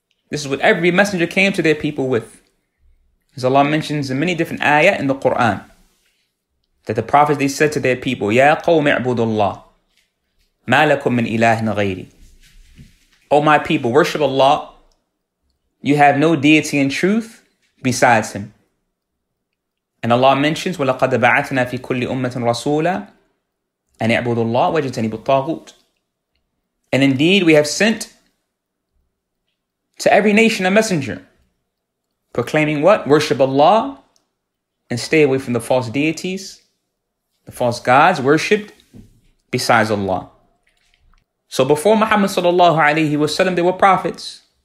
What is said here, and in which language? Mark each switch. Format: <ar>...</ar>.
<en>This is what every messenger came to their people with. As Allah mentions in many different ayah in the Quran, that the prophets, they said to their people,</en> <ar>يَا قَوْمِ اعْبُدُ اللَّهِ مَا لَكُمْ مِنْ إِلَهٍ غَيْرِي.</ar> <en>O my people, worship Allah. You have no deity in truth besides Him. And Allah mentions,</en> <ar>وَلَقَدْ بَعَثْنَا فِي كُلِّ أُمَّةٍ رَسُولًا أَنِ اعْبُدُ اللَّهِ وَجَتَنِبُ الطَّاغُوتِ.</ar> <en>And indeed, we have sent to every nation a messenger, proclaiming what? Worship Allah and stay away from the false deities, the false gods worshipped besides Allah. So before Muhammad sallallahu alayhi wa sallam, there were prophets.</en>